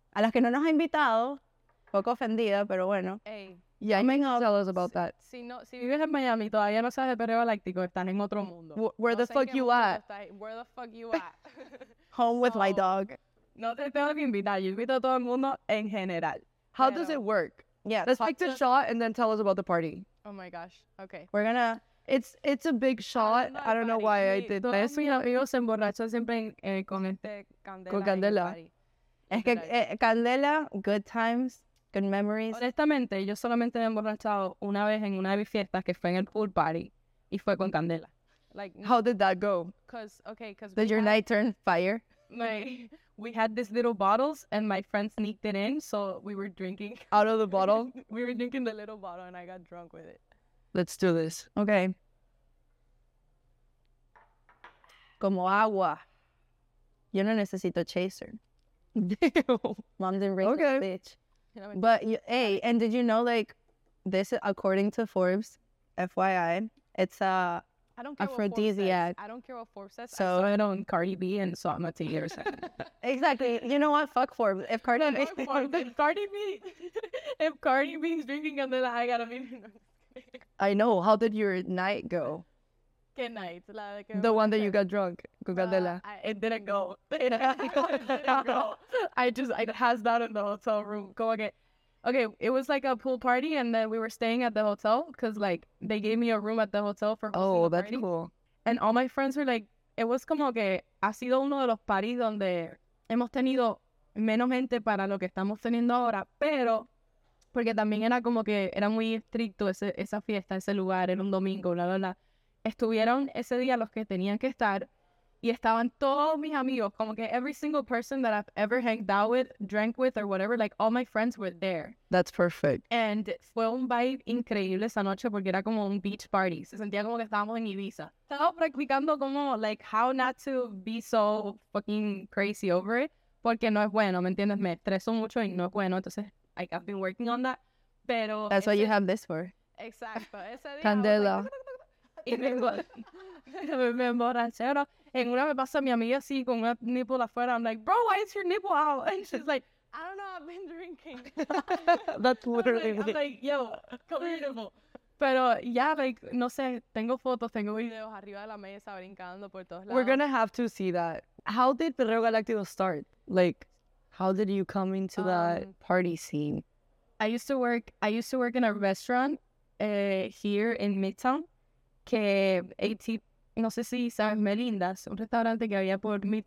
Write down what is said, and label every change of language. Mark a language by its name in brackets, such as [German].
[Spanish] A las que no nos ha invitado, poco ofendida, pero bueno. [English] Hey, yeah, coming up. Tell us about that. [Spanish] Si vives en Miami, todavía no sabes de perreo galáctico, están en otro mundo. [English] Where the fuck you at? Where the fuck you at? Home with my dog. [Spanish] No te tengo que invitar, yo invito a todo el mundo en general. [English] How does it work? Yeah. Let's take the shot and then tell us about the party. Oh my gosh, okay. We're gonna... It's a big shot. I don't know why I did this. [Spanish] Mis amigos se emborrachan siempre con este candela. Con candela. Es que [English] candela, good times, good memories. [Spanish] Honestamente, yo solamente me he emborrachado una vez en una de mis fiestas que fue en el pool party y fue con candela. [English] Like, how did that go? Did your night turn fire? We had these little bottles and my friend sneaked it in, so we were drinking. Out of the bottle? We were drinking the little bottle and I got drunk with it. Let's do this. Okay. [Spanish] Como agua. Yo no necesito chaser. [English] Damn. Mom didn't raise a bitch. But, and did you know, like, this, according to Forbes, FYI, it's aphrodisiac. I don't care what Forbes says. So, I saw it on Cardi B, and so I'm a teenager. Exactly. You know what? Fuck Forbes. If Cardi B... if Cardi B is drinking on the line, I gotta be... I know. How did your night go? [Spanish] ¿Qué night? [English] The one that you got drunk. Cucandela. It didn't go. It passed out in the hotel room. Okay, it was like a pool party and then we were staying at the hotel because like they gave me a room at the hotel for hosting the party. Oh, that's cool. And all my friends were like it was [Spanish] como que ha sido uno de los parties donde hemos tenido menos gente para lo que estamos teniendo ahora, pero porque también era como que era muy estricto ese, esa fiesta, ese lugar, era un domingo, bla, bla, bla. Estuvieron ese día los que tenían que estar y estaban todos mis amigos, como que [English] every single person that I've ever hanged out with, drank with, or whatever, like all my friends were there. That's perfect. [Spanish] And fue un vibe increíble esa noche porque era como un beach party. Se sentía como que estábamos en Ibiza. Estaba practicando como, like, [English] how not to be so fucking crazy over it. [Spanish] Porque no es bueno, ¿me entiendes? Me estreso mucho y no es bueno. Entonces, like, [English] I've been working on that. [Spanish] Pero [English] that's what you have this for. [Spanish] Exacto. Ese día Candela. Y me emborraché, ¿no? En una me pasa mi amiga así con una nipple afuera. [English] I'm like, bro, why is your nipple out? And she's like, I don't know, I've been drinking. That's literally I'm like, it. I'm like, yo, come here, nipple. [Spanish] Pero ya, yeah, like, no sé, tengo fotos, tengo videos arriba de la mesa brincando por todos lados. [English] We're gonna have to see that. How did Perreo Galáctico start? Like, how did you come into that party scene? I used to work in a restaurant here in Midtown. [Spanish] Que AT, no sé si sabes, Melinda's, un restaurante que había por mi.